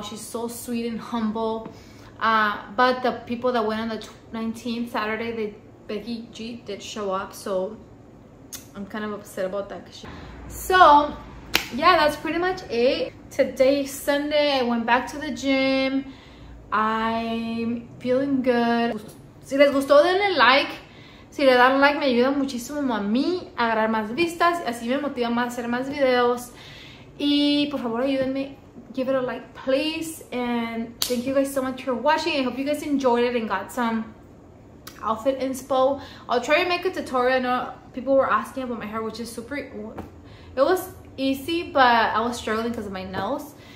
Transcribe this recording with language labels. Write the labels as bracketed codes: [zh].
[en] She's so sweet and humble. But the people that went on the 19th Saturday, Becky G did show up. So I'm kind of upset about that. So yeah, that's pretty much it. Today, Sunday, I went back to the gym. I'm feeling good. [es] Si les gustó, denle like. Si le dan like, me ayuda muchísimo a mí a agarrar más vistas. Así me motiva más a hacer más videos. Y por favor, ayúdenme. [en] Give it a like, please. And thank you guys so much for watching. I hope you guys enjoyed it and got some outfit inspo. I'll try to make a tutorial. I know people were asking about my hair, which is super, it was easy, but I was struggling because of my nails.